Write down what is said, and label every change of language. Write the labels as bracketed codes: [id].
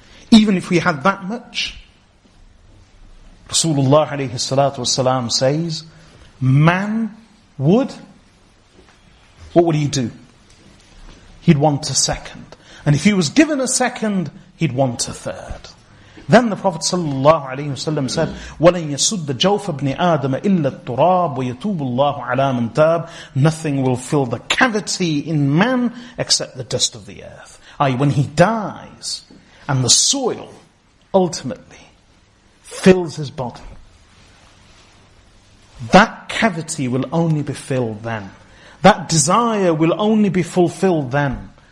[en] Even if we had that much, Rasulullah alayhi salatu wasalam says, man would, what would he do? He'd want a second. And if he was given a second, he'd want a third. Then the Prophet sallallahu alaihi wasallam said, [ar] وَلَنْ يَسُدَّ جَوْفَ ابْنِ آدَمَ إِلَّا التُّرَابُ وَيَتُوبُ اللَّهُ عَلَى مَنْ تَابُ. [en] Nothing will fill the cavity in man except the dust of the earth. I.e. when he dies, and the soil ultimately fills his body, that cavity will only be filled then. That desire will only be fulfilled then.